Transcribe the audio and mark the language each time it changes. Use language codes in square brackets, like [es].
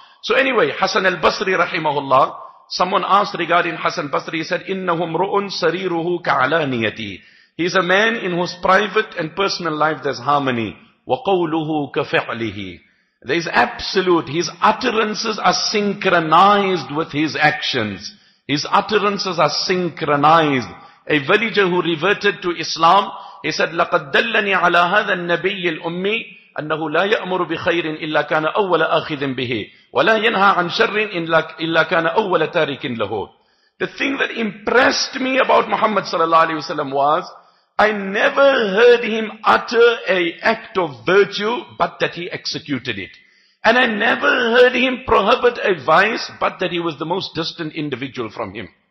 [en] So anyway, Hassan al-Basri rahimahullah, someone asked regarding Hassan al-Basri, he said, [ar] innahum ru'un sariruhu ka'alaniyati. [en] He's a man in whose private and personal life there's harmony. [ar] Wa qawluhu kafi'lihi. [en] There is absolute, his utterances are synchronized with his actions. His utterances are synchronized. A villager who reverted to Islam, he said, [ar] لَقَدْ دَلَّنِي عَلَىٰ هَذَا النَّبِيِّ الْأُمِّ أَنَّهُ لَا يَأْمُرُ بِخَيْرٍ إِلَّا كَانَ أَوَّلَ آخِذٍ بِهِ وَلَا يَنْهَىٰ عَنْ شَرٍ إِلَّا كَانَ أَوَّلَ تَارِكٍ لَهُ. [en] The thing that impressed me about Muhammad sallallahu alaihi wasallam was, I never heard him utter an act of virtue, but that he executed it. And I never heard him prohibit a vice, but that he was the most distant individual from him.